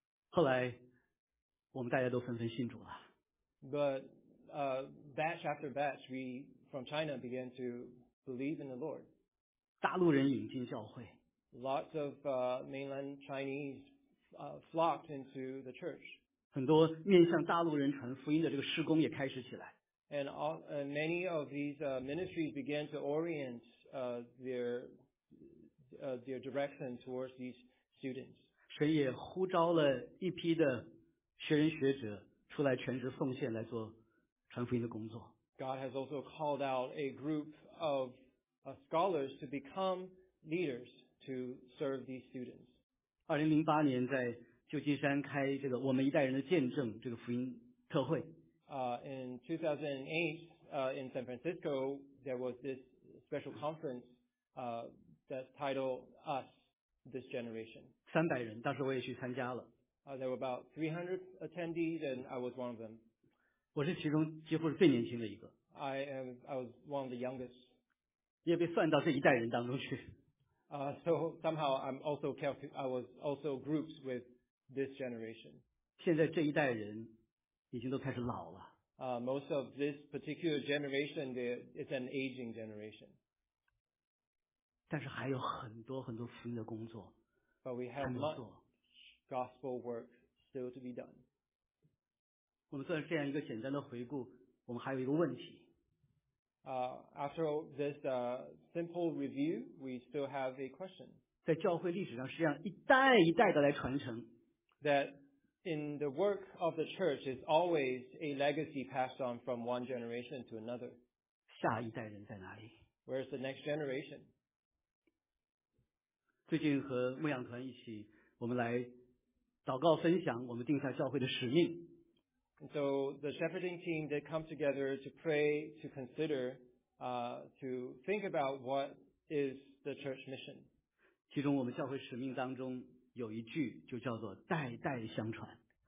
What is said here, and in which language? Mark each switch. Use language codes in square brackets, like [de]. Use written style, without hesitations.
[zh] 后来，我们大家都纷纷信主了。 [en] But batch after batch, we from China began to believe in the Lord. [zh] 大陆人引进教会。 [en] Lots of mainland Chinese flocked into the church. [zh] 很多面向大陆人传福音的这个施工也开始起来。 [en] And many of these ministries began to orient their direction towards these students. [zh] 神也呼召了一批的学人学者出来全职奉献来做传福音的工作。 [en] God has also called out a group of scholars to become leaders to serve these students. [zh] 2008年在旧金山开这个我们一代人的见证这个福音特会。 [en] In 2008, in San Francisco, there was this special conference that titled Us, This Generation. [zh] 300人，当时我也去参加了。 [en] There were about 300 attendees, and I was one of them. [zh] 我是其中几乎是最年轻的一个。 [en] I was one of the youngest. [zh] 也被算到这一代人当中去。 [en] So somehow I was also grouped withThis generation. [zh] 现在这一代人已经都开始老了。 [en] Most of this particular generation, it's an aging generation. [zh] 但是还有很多很多福音的工作。 [en] But we have much gospel work still to be done. [zh] 我们做了这样一个简单的回顾，我们还有一个问题。 [en] After this simple review, we still have a question. [zh] 在教会历史上，实际上一代一代的来传承。 [en] That in the work of the church is always a legacy passed on from one generation to another. [zh] 下一代人在哪里？ [en] Where's the next generation? [zh] 最近和牧养团一起，我们来祷告分享我们定下教会的使命。 [en] And so the shepherding team did come together to pray, to consider, to think about what is the church mission. [zh] 其中我们教会使命当中有一句就叫做代代相传。